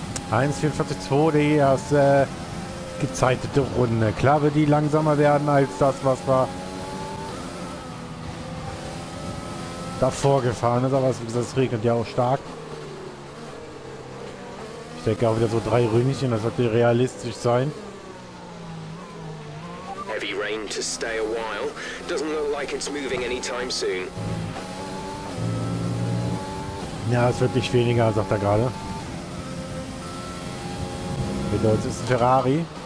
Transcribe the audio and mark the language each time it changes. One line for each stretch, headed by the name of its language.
German: ...1.44.2, die erste gezeitete Runde. Klar wird die langsamer werden als das, was war davor gefahren ist, aber es regnet ja auch stark. Ich denke auch wieder so 3 Ründchen, das sollte realistisch sein.
English: Heavy rain to stay a while. Doesn't look like it's moving anytime soon.
German: Ja, es wird nicht weniger, sagt er gerade. Das ist ein Ferrari.